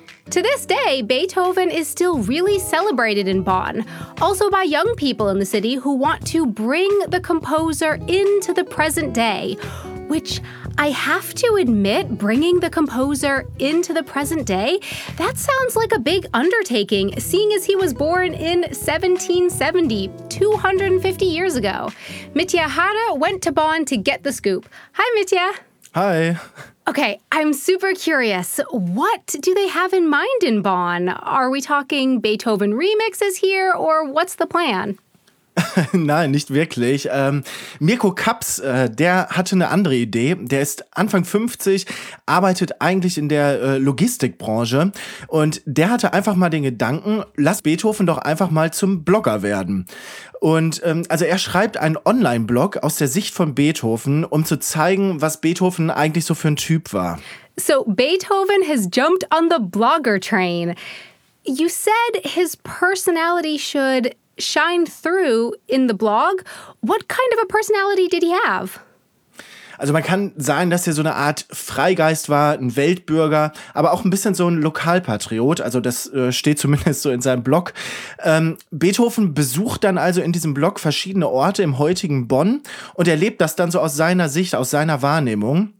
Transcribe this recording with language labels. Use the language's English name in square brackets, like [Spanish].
[English] To this day, Beethoven is still really celebrated in Bonn, also by young people in the city who want to bring the composer into the present day, which I have to admit, bringing the composer into the present day, that sounds like a big undertaking, seeing as he was born in 1770, 250 years ago. Mitya Hara went to Bonn to get the scoop. Hi, Mitya. Hi. Okay, I'm super curious. What do they have in mind in Bonn? Are we talking Beethoven remixes here, or what's the plan? [German] Nein, nicht wirklich. Mirko Kaps, der hatte eine andere Idee. Der ist Anfang 50, arbeitet eigentlich in der Logistikbranche. Und der hatte einfach mal den Gedanken, lass Beethoven doch einfach mal zum Blogger werden. Und also er schreibt einen Online-Blog aus der Sicht von Beethoven, um zu zeigen, was Beethoven eigentlich so für ein Typ war. [English] So Beethoven has jumped on the blogger train. You said his personality should shine through in the blog. What kind of a personality did he have? [German] Also man kann sagen, dass er so eine Art Freigeist war, ein Weltbürger, aber auch ein bisschen so ein Lokalpatriot. Also das steht zumindest so in seinem Blog. Beethoven besucht dann also in diesem Blog verschiedene Orte im heutigen Bonn und erlebt das dann so aus seiner Sicht, aus seiner Wahrnehmung.